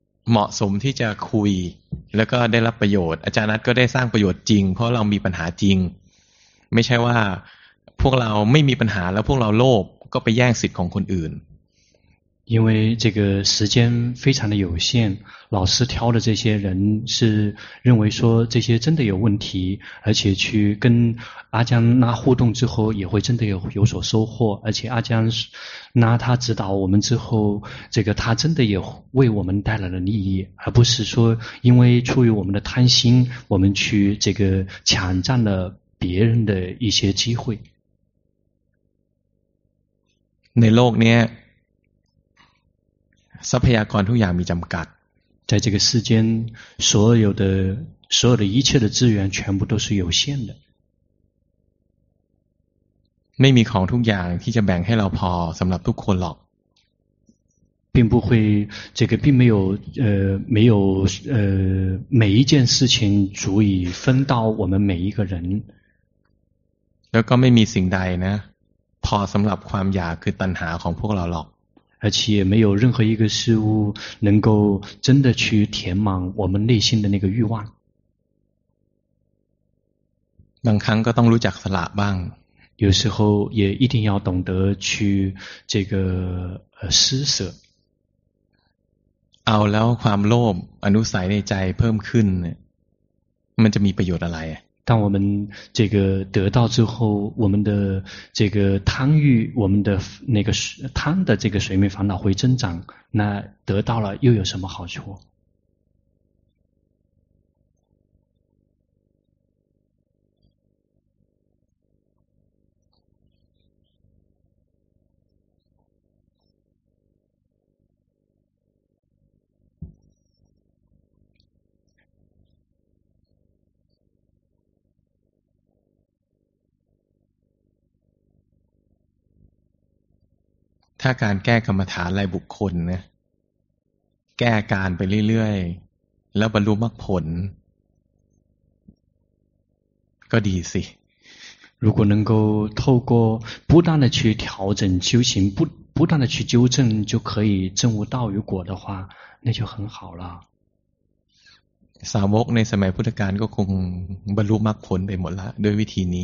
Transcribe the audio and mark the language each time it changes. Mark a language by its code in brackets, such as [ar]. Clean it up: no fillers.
[th] เหมาะสมที่จะคุยแล้วก็ได้รับประโยชน์อาจารย์นัทก็ได้สร้างประโยชน์จริงเพราะเรามีปัญหาจริงไม่ใช่ว่าพวกเราไม่มีปัญหาแล้วพวกเราโลภก็ไปแย่งสิทธิ์ของคนอื่น [zh] 因为这个时间非常的有限老师挑的这些人是认为说这些真的有问题而且去跟阿江拉互动之后也会真的有所收获而且阿江拉他指导我们之后这个他真的也为我们带来了利益而不是说因为出于我们的贪心我们去这个抢占了别人的一些机会 [th] ในโลกเนี้ยทรัพยากรทุกอย่างมีจำกัด [zh] 在这个世间所有的一切的资源全部都是有限的 [th] ไม่มีของทุกอย่างที่จะแบ่งให้เราพอสำหรับทุกคนหรอก [zh] 并不会这个并没有没有每一件事情足以分到我们每一个人 [th] แล้วก็ไม่มีสิ่งใดนะพอสำหรับความอยากคือตัณหาของพวกเราหรอก [zh] 而且没有任何一个事物能够真的去填满我们内心的那个欲望。 [th] บางครั้งก็ต้องรู้จักสละบ้าง [zh] 有时候也一定要懂得去这个施舍。 [th] เอาแล้วความโลภอนุสัยในใจเพิ่มขึ้นมันจะมีประโยชน์อะไร [zh] 当我们这个得到之后我们的这个贪欲我们的那个贪的这个水面烦恼会增长那得到了又有什么好处 [th] ถ้าการแก้กรรมฐานรายบุคคลนะแก้การไปเรื่อยๆแล้วบรรลุมรรคผล 个底细。 [zh] 如果能够透过不断的去调整修行，不断的去纠正，就可以证悟道与果的话，那就很好了。 [th] สาวกในสมัยพุทธกาลก็คงบรรลุมรรคผลไปหมดแล้วด้วยวิธีนี